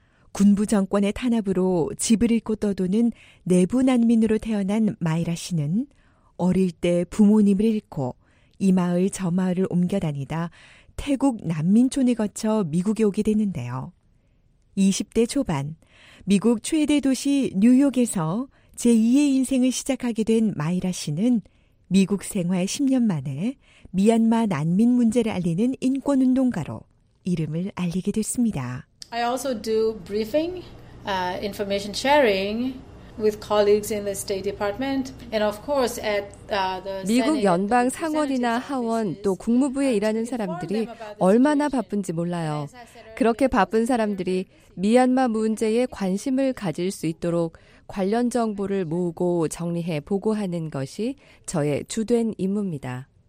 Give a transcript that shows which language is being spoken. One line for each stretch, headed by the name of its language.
Korean: 군부 정권의 탄압으로 집을 잃고 떠도는 내부 난민으로 태어난 마이라 씨는 어릴 때 부모님을 잃고 이 마을 저 마을을 옮겨 다니다 태국 난민촌을 거쳐 미국에 오게 됐는데요. 20대 초반 미국 최대 도시 뉴욕에서 제2의 인생을 시작하게 된 마이라 씨는 미국 생활 10년 만에 미얀마 난민 문제를 알리는 인권운동가로 이름을 알리게 됐습니다.
English: I also do briefing, information sharing with colleagues in the State Department, and of course at the
Korean: 미국 연방 상원이나 하원 또 국무부에 일하는 사람들이 얼마나 바쁜지 몰라요. 그렇게 바쁜 사람들이 미얀마 문제에 관심을 가질 수 있도록 관련 정보를 모으고 정리해 보고하는 것이 저의 주된 임무입니다.